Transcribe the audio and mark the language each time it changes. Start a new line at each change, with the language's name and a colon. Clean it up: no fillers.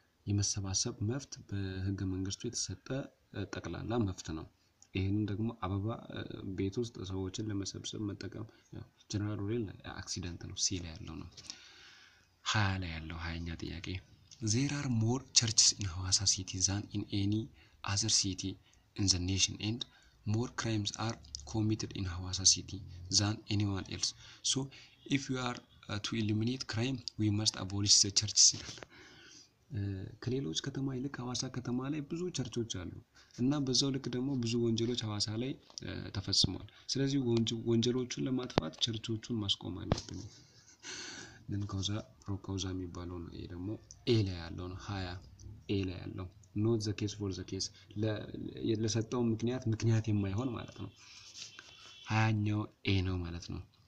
Amharic: የመሰባሰብ መፍት በህገ መንግስቱ የተሰጠ ጠቅላላ መፍት ነው ይሄን ደግሞ አበባ ቤት ውስጥ ሰዎችን ለመሰብሰብ መጠቀም ጀነራል ሩሊን አክሲደንት ነው ሲ ላይ ያለው ነው 20 ላይ ያለው 20ኛ ጥያቄ
English: There are more churches in Hawassa city than in any other city in the nation and more crimes are committed in Hawassa city than anyone else. So if you are to eliminate crime we must abolish the churches.
Amharic: ከሌሎች ከተማ ይልቅ ሀዋሳ ከተማ ላይ ብዙ ቸርቾች አሉ እና በዛው ልክ ደግሞ ብዙ ወንጀሎች ሀዋሳ ላይ ተፈጽሟል ስለዚህ ወንጀሎቹን ለማጥፋት ቸርቾቹን ማስቆም አለብን ነን ኮዛ ፕሮካውዛ የሚባለው ነው ይሄ ደግሞ ኤ ላይ ያለው ነው 20 ኤ ላይ ያለው ኖት ዘ ኬስ ፎር ዘ ኬስ ለሰጠው ምክንያት የማይሆን ማለት ነው 20ኛው ኤ ነው ማለት ነው